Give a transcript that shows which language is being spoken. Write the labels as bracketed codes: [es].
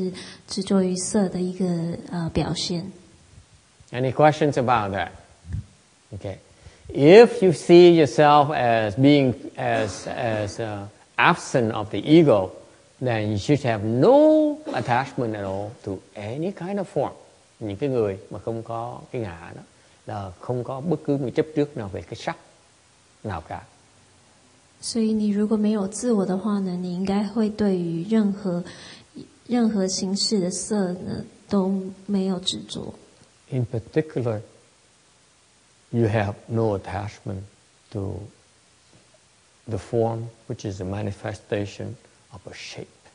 [zh] 这就是执着于色的一个表现. [en] Any questions about that? Okay. If you see yourself as being absent of the ego, then you should have no attachment at all to any kind of form. [vi] Những cái người mà không có cái ngã đó là không có bất cứ một chấp trước nào về cái sắc nào cả. [zh] 所以你如果没有自我的话呢，你应该会对于任何形式的色呢都没有执着。 [en] In particular, you have no attachment to the form, which is a manifestation of a shape,